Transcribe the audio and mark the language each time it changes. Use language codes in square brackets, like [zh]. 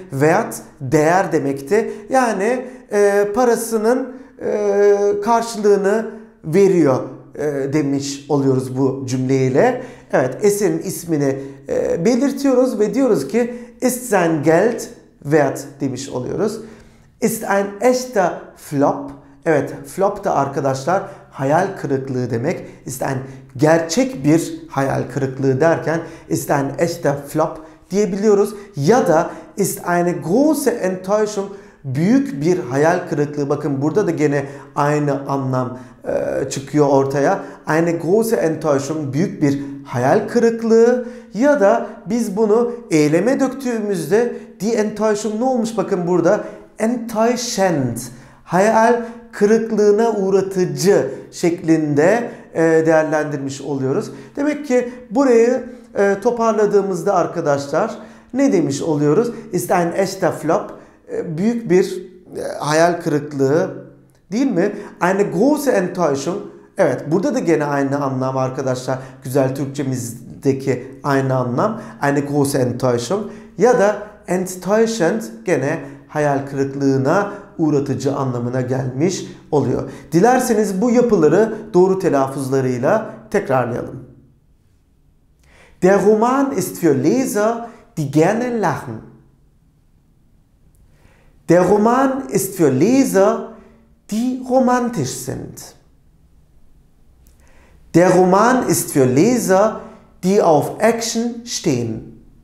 [tr] Wert değer demekti. Yani parasının karşılığını veriyor demiş oluyoruz bu cümleyle. Evet, eserin ismini belirtiyoruz ve diyoruz ki [de] ist sein Geld wert [tr] demiş oluyoruz. [de] Ist ein echter Flop. [tr] Evet, flop da arkadaşlar hayal kırıklığı demek. [de] Ist ein [tr] gerçek bir hayal kırıklığı derken [de] ist ein echter Flop [tr] diyebiliyoruz. Ja da [de] ist eine große Enttäuschung, [tr] büyük bir hayal kırıklığı. Bakın burada da gene aynı anlam çıkıyor ortaya. [de] Eine große Enttäuschung, [tr] büyük bir hayal kırıklığı. Ya da biz bunu eyleme döktüğümüzde die Enttäuschung ne olmuş bakın burada? Enttäuschend, hayal kırıklığına uğratıcı şeklinde değerlendirmiş oluyoruz. Demek ki burayı toparladığımızda arkadaşlar ne demiş oluyoruz? [de] Ist ein echter Flop. [tr] Büyük bir hayal kırıklığı değil mi? [de] Eine große Enttäuschung. [tr] Evet, burada da gene aynı anlam arkadaşlar. Güzel Türkçemizdeki aynı anlam. [de] Eine große Enttäuschung. [tr] Ya da enttäuschend gene hayal kırıklığına uğratıcı anlamına gelmiş oluyor. Dilerseniz bu yapıları doğru telaffuzlarıyla tekrarlayalım. [de] Der Roman ist für Leser, die gerne lachen. Der Roman ist für Leser, die romantisch sind. Der Roman ist für Leser, die auf Action stehen.